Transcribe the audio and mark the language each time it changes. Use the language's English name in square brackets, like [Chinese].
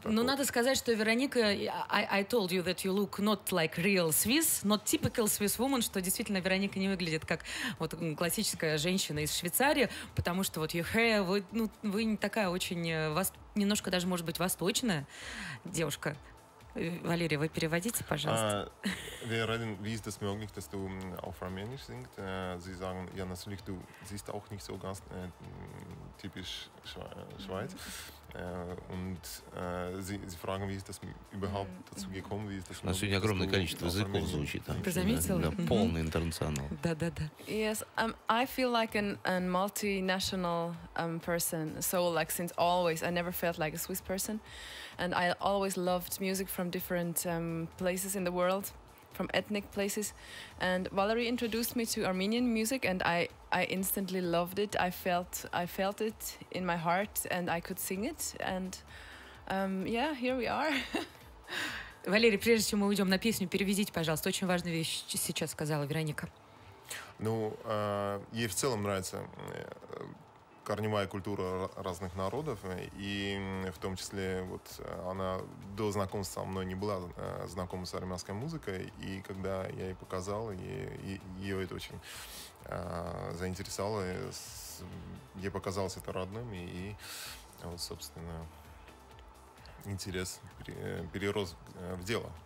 [Russian] Но надо сказать, что Вероника, [English] I told you that you look not like real Swiss, not typical Swiss woman, [Russian] что действительно Вероника не выглядит как вот классическая женщина из Швейцарии, потому что вот [English] your hair, [Russian] вы не такая очень, вас немножко даже, может быть, восточная девушка. Валерий, вы переводите, пожалуйста. [German] Wir reden, wie ist es möglich, dass du auf Armenisch singst? Sie sagen, ja, natürlich, du siehst auch nicht so ganz typisch Schweiz. Und sie fragen, wie ist das überhaupt dazu gekommen? Wie ist das möglich, [Russian] сегодня огромное количество языков звучит. Ты заметила? Да, полный интернационал. Да. [English] Yes, I feel like an multinational person. So, like, since always, I never felt like a Swiss person. And I always loved music from different places in the world, from ethnic places. And Valerie introduced me to Armenian music, and I instantly loved it. I felt it in my heart, and I could sing it. And yeah, here we are. [Russian] Валерий, прежде чем мы уйдем на песню, переведите, пожалуйста, очень важную вещь сейчас сказала Вероника. Ну, ей в целом нравится корневая культура разных народов, и в том числе вот она до знакомства со мной не была знакома с армянской музыкой, и когда я ей показал, ее это очень заинтересовало, ей показалось это родным, и вот, собственно, интерес перерос в дело.